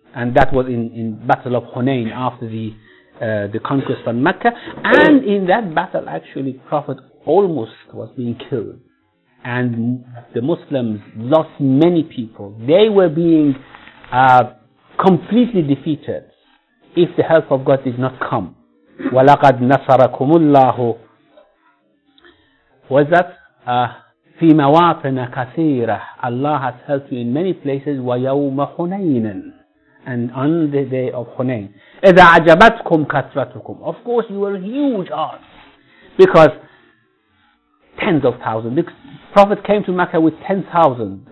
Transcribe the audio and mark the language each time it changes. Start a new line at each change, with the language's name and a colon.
English: And that was in Battle of Hunayn after the conquest on Mecca. And in that battle, actually, Prophet almost was being killed. And the Muslims lost many people. They were being completely defeated if the help of God did not come.
Arabic: وَلَقَدْ نَصَرَكُمُ اللَّهُ
English: Was that?
Arabic: فِي مَوَاطِنَ كَثِيرَةٍ
English: Allah has helped you in many places.
Arabic: وَيَوْمَ حُنَيْنًا
English: And on the day of Hunayn.
Arabic: إِذَا عَجَبَتْكُمْ كَثْرَتُكُمْ
English: Of course, you were huge odds. Because tens of thousands. The Prophet came to Mecca with 10,000.